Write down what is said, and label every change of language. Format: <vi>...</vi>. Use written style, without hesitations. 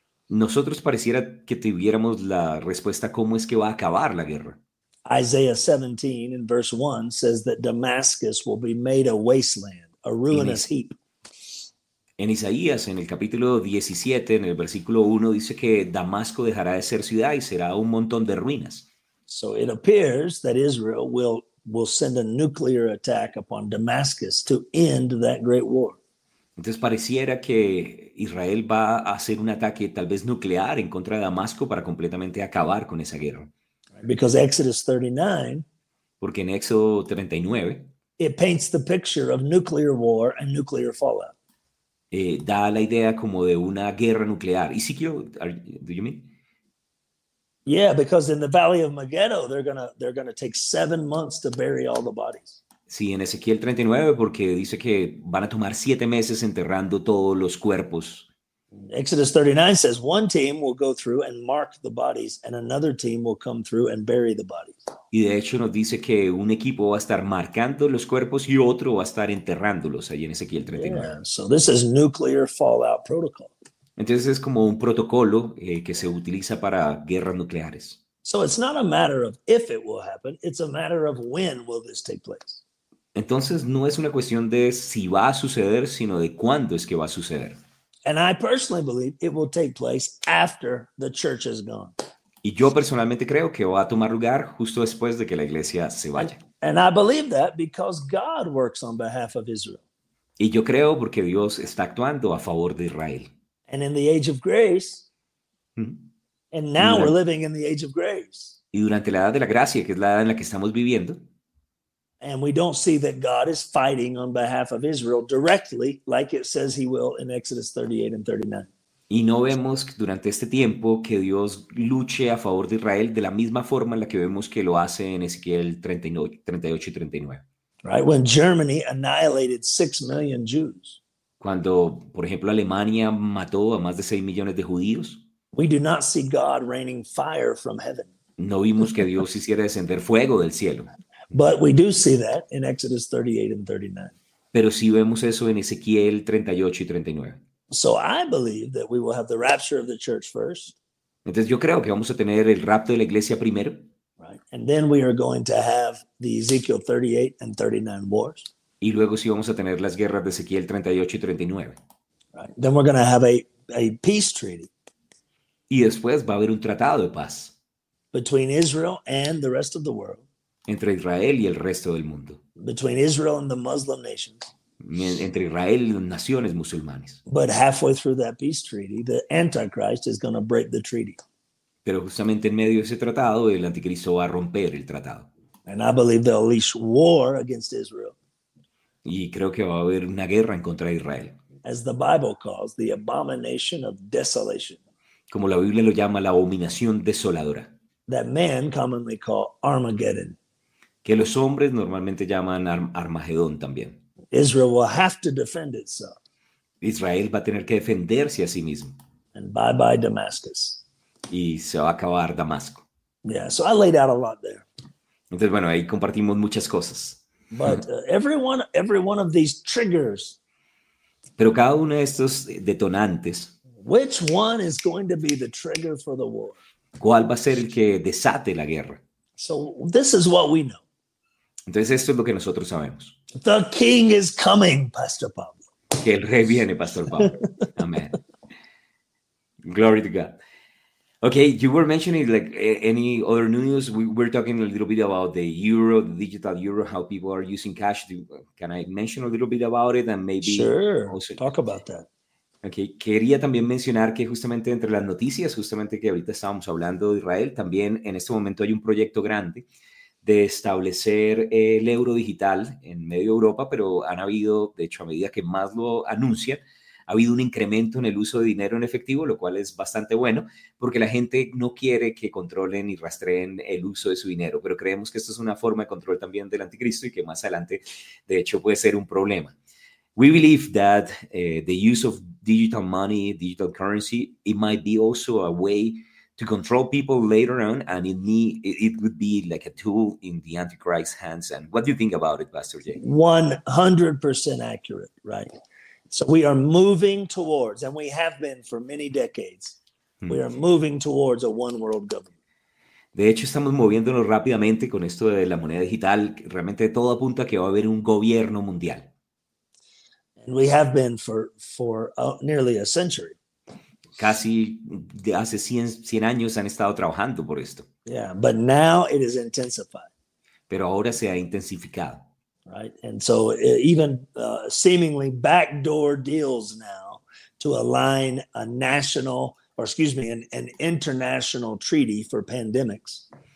<es>Nosotros pareciera que tuviéramos la respuesta cómo es que va a acabar la guerra.</es> <en>Isaiah 17 in verse 1 says that Damascus will be made a wasteland, a ruinous heap.</en> <es>En Isaías, en el capítulo 17, en el versículo 1, dice que Damasco dejará de ser ciudad y será un montón de ruinas.</es> <en>So it appears that Israel will send a nuclear attack upon Damascus to end that great war.</en> <es>Entonces pareciera que Israel va a hacer un ataque tal vez nuclear en contra de Damasco para completamente acabar con esa guerra.</es> <en>Because Exodus 39,</en> <es>porque en Éxodo 39,</es> <en>it paints the picture of nuclear war and nuclear fallout.</en> <es>Da la idea como de una guerra nuclear.</es> <en>Ezekiel, do you mean? Yeah, because in the Valley of Megiddo, they're gonna take 7 months to bury all the bodies.</en> <es>Sí, en Ezequiel 39, porque dice que van a tomar 7 meses enterrando todos los cuerpos.</es> <en>Exodus 39 says one team will go through and mark the bodies and another team will come through and bury the bodies.</en> <es>Y de hecho nos dice que un equipo va a estar marcando los cuerpos y otro va a estar enterrándolos ahí en Ezequiel 39.</es> <en>Yeah, so this is nuclear fallout protocol.</en> <es>Entonces es como un protocolo que se utiliza para guerras nucleares.</es> <en>So it's not a matter of if it will happen, it's a matter of when will this take place.</en> <es>Entonces no es una cuestión de si va a suceder, sino de cuándo es que va a suceder.</es> <en>And I personally believe it will take place after the church is gone.</en> <es>Y yo personalmente creo que va a tomar lugar justo después de que la iglesia se vaya.</es> <en>And I believe that because God works on behalf of Israel.</en> <es>Y yo creo porque Dios está actuando a favor de Israel.</es> <en>And in the age of grace. And now we're living in the age of grace.</en> <es>Y durante la edad de la gracia, que es la edad en la que estamos viviendo.</es> <en>And we don't see that God is fighting on behalf of Israel directly, like it says he will in Exodus 38 and 39.</en> <es>Y no vemos durante este tiempo que Dios luche a favor de Israel de la misma forma en la que vemos que lo hace en Ezequiel 38 y 39.</es> <en>Right, when Germany annihilated 6 million Jews.</en> <es>Cuando, por ejemplo, Alemania mató a más de 6 millones de judíos.</es> <en>We do not see God raining fire from heaven.</en> <es>No vimos que Dios hiciera descender fuego del cielo.</es> <en>But we do see that in Exodus 38 and 39.</en> <es>Pero sí vemos eso en Ezequiel 38 y 39.</es> <en>So I believe that we will have the rapture of the church first.</en> <es>Entonces yo creo que vamos a tener el rapto de la iglesia primero.</es> <en>Right? And then we are going to have the Ezekiel 38 and 39 wars.</en> <es>Y luego sí vamos a tener las guerras de Ezequiel 38 y 39.</es> <en>Right? Then we're going to have a peace treaty.</en> <es>Y después va a haber un tratado de paz.</es> <en>Between Israel and the rest of the world.</en> <es>Entre Israel y el resto del mundo.</es> <en>Between Israel and the Muslim nations.</en> <es>Entre Israel y las naciones musulmanes.</es> <en>But halfway through that peace treaty, the Antichrist is going to break the treaty.</en> <es>Pero justamente en medio de ese tratado, el anticristo va a romper el tratado.</es> <en>And I believe they'll unleash war against Israel.</en> <es>Y creo que va a haber una guerra en contra de Israel.</es> <en>As the Bible calls, the abomination of desolation.</en> <es>Como la Biblia lo llama, la abominación desoladora.</es> <en>That men commonly call Armageddon.</en> <es>Que los hombres normalmente llaman Armagedón también.</es> <en>Israel will have to defend itself.</en> <es>Israel va a tener que defenderse a sí mismo.</es> <en>And bye bye Damascus.</en> <es>Y se va a acabar Damasco.</es> <en>Yeah, so I laid out a lot there.</en> <es>Entonces, bueno, ahí compartimos muchas cosas.</es> <en>But every one of these triggers.</en> <es>Pero cada uno de estos detonantes.</es> <en>Which one is going to be the trigger for the war?</en> <es>¿Cuál va a ser el que desate la guerra?</es> <en>So this is what we know.</en> <es>Entonces esto es lo que nosotros sabemos.</es> <en>The king is coming, Pastor Pablo.</en> <es>Que el rey viene, Pastor Pablo. Amen.</es> <en>Glory to God. Okay, you were mentioning like any other news. We're talking a little bit about the euro, the digital euro, how people are using cash. Can I mention a little bit about it and maybe sure. Also talk about that.</en> <es>Okay, quería también mencionar que justamente entre las noticias, justamente que ahorita estábamos hablando de Israel, también en este momento hay un proyecto grande de establecer el euro digital en medio de Europa, pero han habido, de hecho, a medida que más lo anuncian, ha habido un incremento en el uso de dinero en efectivo, lo cual es bastante bueno, porque la gente no quiere que controlen y rastreen el uso de su dinero, pero creemos que esto es una forma de control también del anticristo y que más adelante, de hecho, puede ser un problema.</es> <en>We believe that the use of digital money, digital currency, it might be also a way to control people later on, and it would be like a tool in the Antichrist's hands. And what do you think about it, Pastor Jay? 100% accurate, right? So we are moving towards, and we have been for many decades, we are moving towards a one-world government.</en> <es>De hecho, estamos moviéndonos rápidamente con esto de la moneda digital. Realmente todo apunta a que va a haber un gobierno mundial.</es> <en>And we have been for nearly a century.</en> <es>Casi de hace 100 años han estado trabajando por esto.</es> <en>Yeah, but now it is intensified.</en> <es>Pero ahora se ha intensificado.</es> <en>Right, and so even seemingly backdoor deals now to align a national, or excuse me, an international treaty for pandemics.</en>